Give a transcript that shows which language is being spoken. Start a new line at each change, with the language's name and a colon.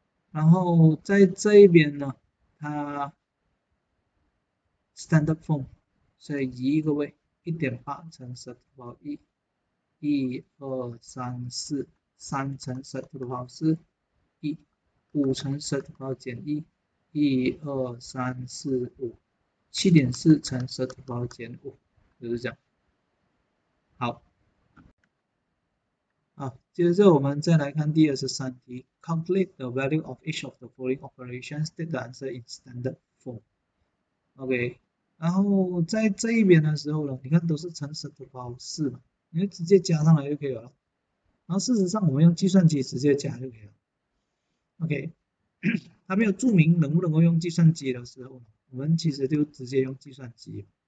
Chinese: 然后在这一边呢，它 standard form，所以移一个位，1.8×10^1，一二三四。 3×10^4，一，5×10^1，一二三四五，7.4×10^5，就是这样。
English: 好，接着我们再来看第23题，Calculate the value of each of the following operations. State the answer in standard form.
Chinese: OK，然后在这一边的时候呢，你看都是10^4嘛，你就直接加上来就可以了。然后事实上，我们用计算机直接加就可以了。OK，还没有注明能不能够用计算机的时候，我们其实就直接用计算机。